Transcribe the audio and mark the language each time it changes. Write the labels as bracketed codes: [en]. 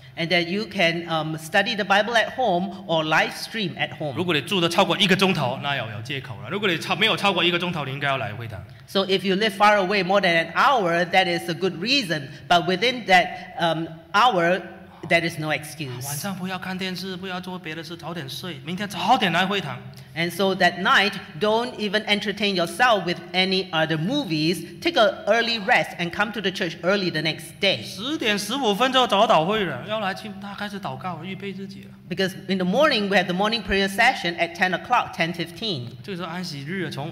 [en] And that you can study the Bible at home or live stream at home. [zh] 如果你住得超过一个钟头，那有借口了。如果你没有超过一个钟头，你应该要来会堂。 [en] So if you live far away more than an hour, that is a good reason. But within that hour, that is no excuse. [zh] 晚上不要看电视，不要做别的事，早点睡，明天早点来会堂。 [en] And so that night, don't even entertain yourself with any other movies. Take an early rest and come to the church early the next day. [zh] 10:15就要找祷会了，要来去，那开始祷告，预备自己了。 [en] Because in the morning, we have the morning prayer session at 10 o'clock, 10:15.